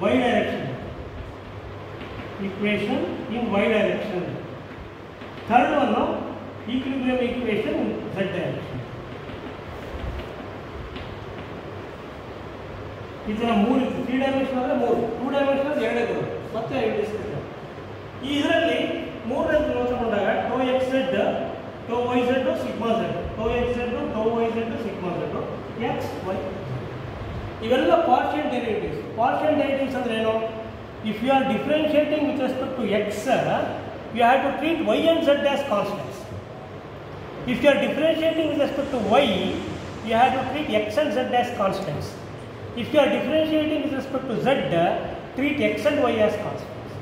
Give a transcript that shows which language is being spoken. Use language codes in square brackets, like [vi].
[en] Y direction equation in y direction. Third one, no? Equilibrium equation in z direction. [kn] ಇದರ ಮೂರು ಇತ್ತು. Three dimension ಅಂದರೆ ಮೂರು, two dimension ಅಂದರೆ ಎರಡೇ ಗುರು. ಮತ್ತೆ ಎಷ್ಟು ಈ ಇದರಲ್ಲಿ ಮೂರನೇ ನೋಡಿಕೊಂಡಾಗ ಟೋ ಎಕ್ಸ್ ಝಡ್, ಟೋ ವೈ ಝಡ್, ಸಿಗ್ಮಾ ಝಡ್. ಟೋ ಎಕ್ಸ್ ಝಡ್, ಟೋ Y Z, sigma Z, X Y Z ಇವೆಲ್ಲ ಪಾರ್ಷಿಯಲ್ ಡೆರಿವೇಟಿವ್ಸ್. ಪಾರ್ಷಿಯಲ್ ಡೆರಿವೇಟಿವ್ಸ್ ಅಂದ್ರೆ ಏನು? [en] If you are differentiating with respect to x, you have to treat y and z as constants. If you are differentiating with respect to y, you have to treat x and z as constants. If you are differentiating with respect to z, treat x and y as constants.